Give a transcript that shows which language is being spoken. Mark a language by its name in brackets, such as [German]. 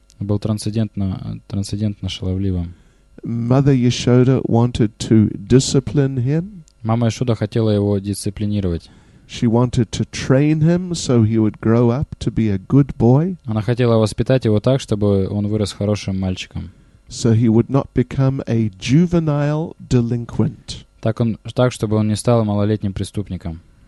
[Russian] Был трансцендентно шаловливым. [English] Mother Yashoda wanted to discipline him. [Russian] Мама Яшода хотела его дисциплинировать. [English] She wanted to train him so he would grow up to be a good boy. [Russian] Она хотела воспитать его так, чтобы он вырос хорошим мальчиком. [English] So he would not become a juvenile delinquent. [Russian] Так он, так чтобы он не стал малолетним преступником.